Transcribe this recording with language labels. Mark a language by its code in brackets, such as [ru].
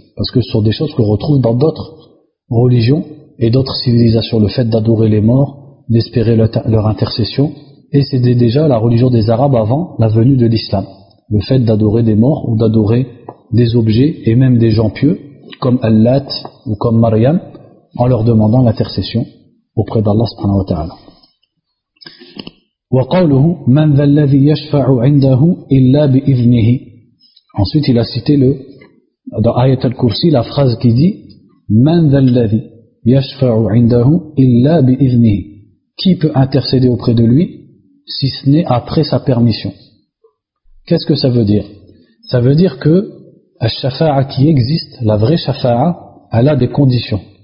[fr] Parce que ce sont des choses qu'on retrouve dans d'autres religions et d'autres civilisations. Le fait d'adorer les morts, d'espérer leur intercession, et c'était déjà la religion des Arabes avant la venue de l'islam. Le fait d'adorer des morts ou d'adorer des objets et même des gens pieux, comme Al-Lat ou comme Maryam, en leur demandant l'intercession auprès d'Allah subhanahu wa ta'ala. [ar] وقوله من ذا الذي يشفع عنده إلا بإذنه. [fr] Ensuite il a cité le dans Ayat al-Kursi la phrase qui dit [ar] من ذا الذي يشفع عنده إلا بإذنه, [fr] qui peut intercéder auprès de lui si ce n'est après sa permission. Qu'est-ce que ça veut dire? Ça veut dire que al-shafa'a qui existe, la vraie shafa'a, elle a des conditions.